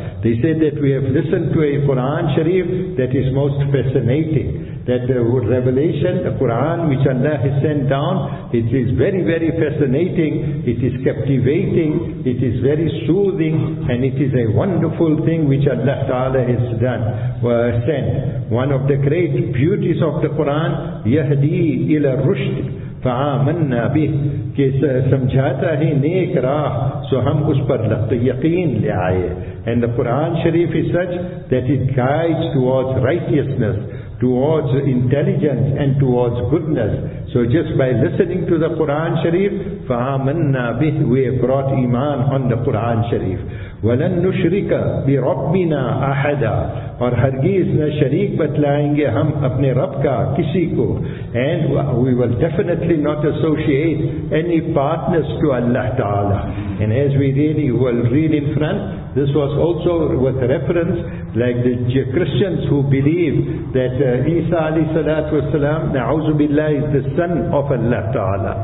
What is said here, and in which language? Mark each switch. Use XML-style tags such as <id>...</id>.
<en>They said that we have listened to a Qur'an Sharif that is most fascinating. That the revelation, the Qur'an which Allah has sent down, it is very, very fascinating, it is captivating, it is very soothing, and it is a wonderful thing which Allah Ta'ala has done, sent. One of the great beauties of the Qur'an,</en> <ar>يَهْدِي إِلَى الرُّشْدِ فَآمَنَّا بِهِ,</ar> <ur>کہ سمجھاتا ہے نیک راہ, سو ہم اس پر یقین لے آئے.</ur> <en>And the Qur'an Sharif is such that it guides towards righteousness, towards intelligence and towards goodness. So just by listening to the Qur'an Sharif,</en> <ar>فَآمَنَّا بِهِ,</ar> <en>we have brought iman on the Qur'an Sharif.</en> <ar>وَلَن نُشْرِكَ بِرَبِّنَا أَحَدًا,</ar> <ur>اور ہرگیز نہ شریک بتلائیں گے ہم اپنے رب کا کسی کو.</ur> <en>And we will definitely not associate any partners to Allah Ta'ala. And as we really will read in front, this was also with reference, like the Christians who believe that Isa alayhi salatu wasalam, na'uzu billah, is the son of Allah Ta'ala.</en>